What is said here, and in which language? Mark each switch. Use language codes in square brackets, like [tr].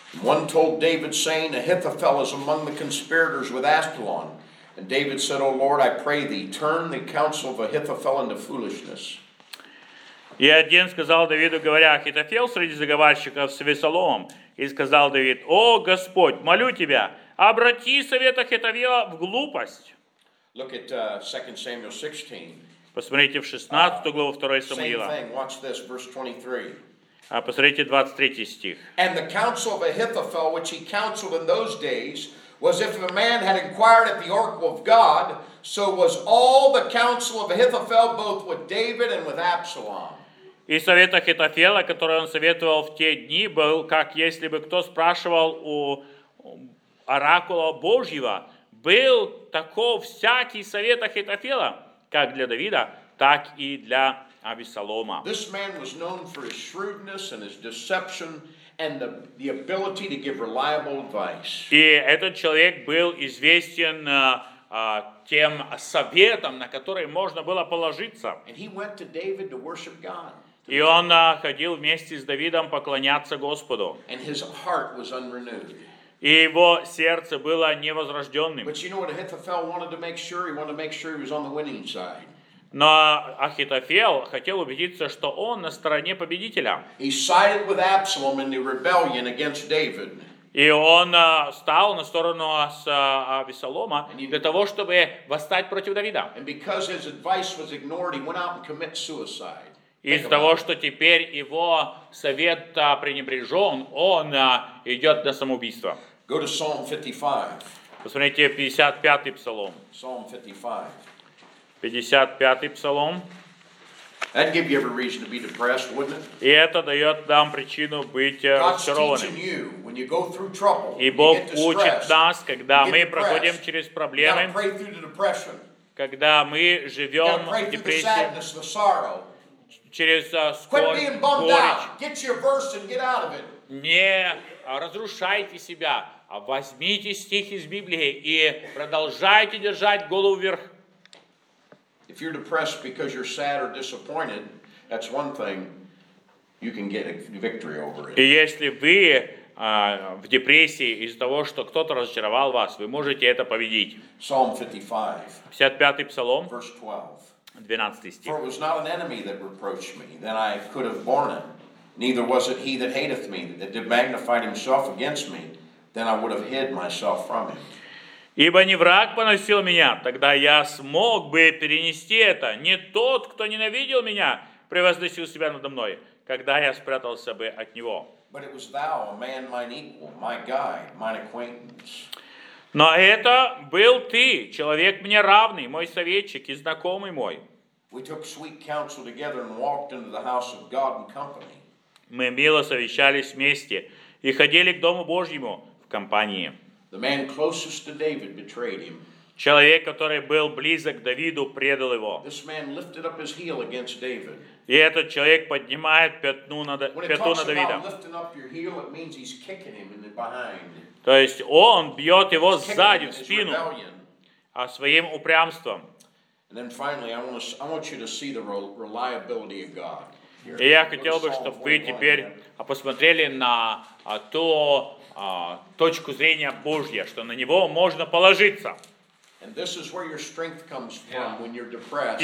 [en] One told David, saying, Ahithophel is among the conspirators with Ascalon. And David said, O Lord, I pray thee, turn the counsel of Ahithophel into foolishness. [ru] И один сказал Давиду, говоря, Ахитофел среди заговорщиков с Авессаломом. И сказал Давид, О Господь, молю тебя, обрати совет Ахитофела в глупость. [en] Look at 2 Samuel 16. [ru] Посмотрите в 16 главу 2 Самуила. [en] Same thing, watch this, verse 23. [ru] А посмотрите 23 стих. [en] And the counsel of Ahithophel, which he counseled in those days, was if a man had inquired at the oracle of God, so was all the counsel of Ahithophel, both with David and with Absalom. [ru] И совет Ахитофела, который он советовал в те дни, был, как если бы кто спрашивал у оракула Божьего, был таков всякий совет Ахитофела, как для Давида, так и для Абисалома. [en] This man was known for his shrewdness and his deception and the ability to give reliable advice. [ru] И этот человек был известен тем советом, на который можно было положиться. [en] And he went to David to worship God. [ru] И он ходил вместе с Давидом поклоняться Господу. [en] And his heart was unrenewed. [ru] И его сердце было невозрожденным. [en] But you know what Ahithophel wanted to make sure? He wanted to make sure he was on the winning side. [ru] Но Ахитофел хотел убедиться, что он на стороне победителя. [en] He sided with Absalom in the rebellion against David. [ru] И он стал на сторону Авессалома для того, чтобы восстать против Давида. [en] And because his advice was ignored, he went out and committed suicide. [ru] Из-за того, что теперь его совет пренебрежен, он идет на самоубийство. [en] Go to Psalm 55. [ru] Посмотрите, 55-й псалом. [en] Psalm 55. [ru] 55-й псалом. [en] That'd give you every reason to be depressed, wouldn't it? [ru] И это дает нам причину быть разочарованным. [en] God's teaching you when you go through trouble. [ru] И Бог учит нас, когда мы проходим через проблемы. [en] You gotta pray through the depression. [ru] Когда мы живем в депрессии. [en] You gotta pray through the sadness, the sorrow. [ru] Через скорбь, [en] Quit being bummed [ru] горечь. [en] Out. Get your verse and get out of it. [ru] Не разрушайте себя, а возьмите стих из Библии и продолжайте держать голову вверх. [en] If you're depressed because you're sad or disappointed, that's one thing you can get a victory over it. [ru] И если вы в депрессии из-за того, что кто-то разочаровал вас, вы можете это победить. [en] Psalm 55. [ru] 55-й псалом. [en] Verse 12. [ru] 12 стих. [en] For it was not an enemy that reproached me, then I could have borne it. Neither was it he that hateth me, that did magnify himself against me, then I would have hid myself from him. [ru] Ибо не враг поносил меня, тогда я смог бы перенести это. Не тот, кто ненавидел меня, превозносил себя надо мной, когда я спрятался бы от него. Но это был ты, человек мне равный, мой советчик и знакомый мой. [en] We took sweet counsel together and walked into the house of God in company. [ru] Мы мило совещались вместе и ходили к Дому Божьему в компании. [en] The man closest to David betrayed him. [ru] Человек, который был близок к Давиду, предал его. [en] This man lifted up his heel against David. [ru] И этот человек поднимает пяту на Давида. [en] When it talks about lifting up your heel, it means he's kicking him in the behind. [ru] То есть он бьет его сзади в спину, а своим упрямством. [en] And then finally, I want you to see the reliability of God. [ru] И я хотел бы, чтобы вы теперь посмотрели на то. Точку зрения Божья, что на него можно положиться. [en] And this is where your strength comes from when you're depressed.